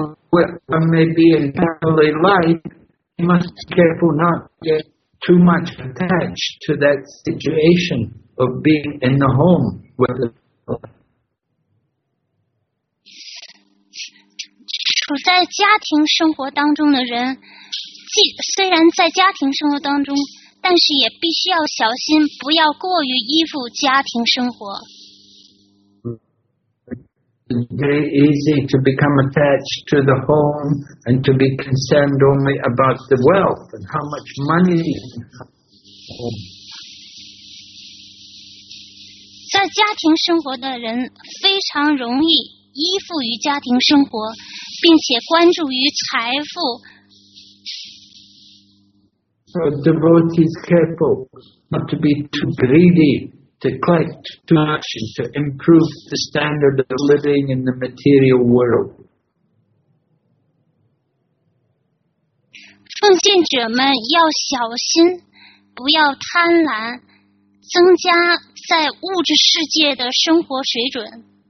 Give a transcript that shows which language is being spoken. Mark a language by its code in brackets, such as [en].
[en] Whatever may be in family life you must be careful not to get too much attached to that situation of being in the home with the people [zh] 处在家庭生活当中的人虽然在家庭生活当中，但是也必须要小心，不要过于依附家庭生活。 [en] It's very easy to become attached to the home and to be concerned only about the wealth and how much money. [zh] 在家庭生活的人非常容易依附于家庭生活，并且关注于财富。 [en] So devotee is careful not to be too greedy to collect too much and to improve the standard of living in the material world. [zh] 奉献者们要小心，不要贪婪，增加在物质世界的生活水准。